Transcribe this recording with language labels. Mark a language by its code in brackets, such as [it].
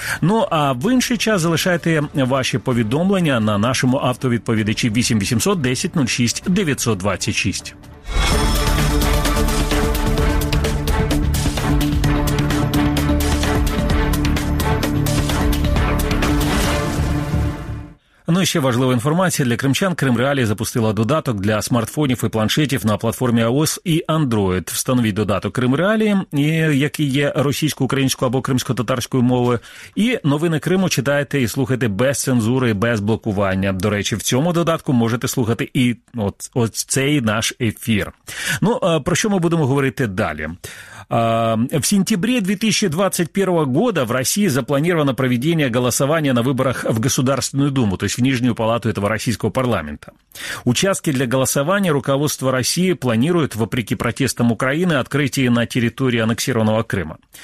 [uk] Ну, а в інший час залишайте ваші повідомлення на нашому автовідповідачі 8800 10 06 926. Ну і ще важлива інформація для кримчан. Крим Реалі запустила додаток для смартфонів і планшетів на платформі iOS і Android. Встановіть додаток Крим Реалі, який є російською, українською або кримсько-татарською мовою. І новини Криму читайте і слухайте без цензури, без блокування. До речі, в цьому додатку можете слухати і ось цей наш ефір. Ну, про що ми будемо говорити далі? [ru] В сентябре 2021 года в России запланировано проведение голосования на выборах в Государственную Думу, то есть в Нижнюю Палату этого российского парламента. Участки для голосования руководство России планирует, вопреки протестам Украины, открытие на территории аннексированного Крыма.